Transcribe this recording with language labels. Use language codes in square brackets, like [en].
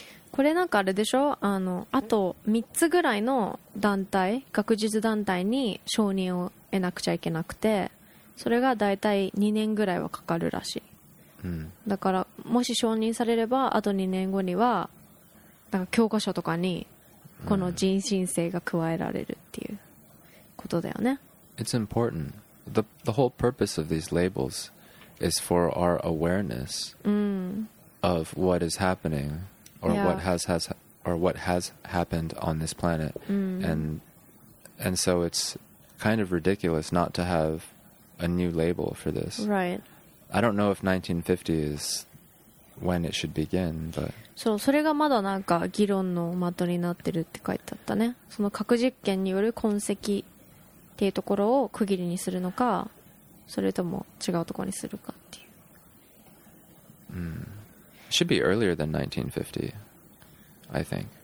[ja] これなんかあれでしょ、あのあと3つぐらいの団体、学術団体に承認を得なくちゃいけなくて、それがだいたい2年ぐらいはかかるらしい。うん、だからもし承認されればあと2年後にはなんか教科書とかにこの人新世が加えられるっていうことだよね。 [en] It's important. The whole purpose of these labels is for our awareness、うん、 of what is happening or、yeah. what has happened on this planet、うん、 and so it's kind of ridiculous not to have a new label for this. Right. I don't know if 1950 is when it should begin, but... [ja] そう、それがまだなんか議論の的になってるって書いてあったね。その核実験による痕跡っていうところを区切りにするのか、それとも違うところにするかっていう。 [en] Mm. Should be earlier than 1950, I think.